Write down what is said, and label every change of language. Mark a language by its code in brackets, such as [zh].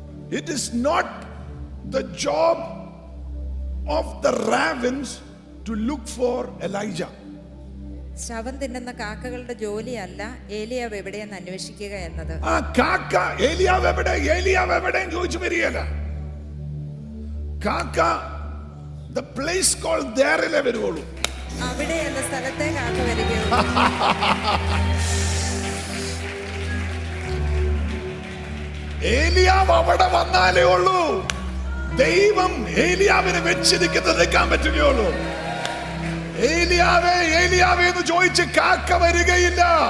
[en] It is not the job of the ravens to look for Elijah. [ml] ശവം തിന്നുന്ന കാക്കകളുടെ ജോലിയല്ല ഏലിയാവ് എവിടെയെന്ന് അന്വേഷിക്കുക എന്നത്. ആ കാക്ക ഏലിയാവ് എവിടെ, ഏലിയാവ് എവിടെ എന്ന് ചോദിച്ചു വരികയല്ല. കാക്ക [en] the place called there [ml] ല വരുവുള്ളൂ. അവിടെ എന്ന സ്ഥലത്തെ കാക്ക വരികയുള്ളൂ. ഏലിയാവ് അവിടെ വന്നാലേ ഉള്ളൂ ദൈവം ഏലിയാവിനെ വെച്ചിരിക്കുന്നത് നിൽക്കാൻ പറ്റുകയുള്ളൂ. ഏലിയാവേ, ഏലിയാവേ എന്ന് ചോദിച്ച് കാക്ക വരികയില്ല.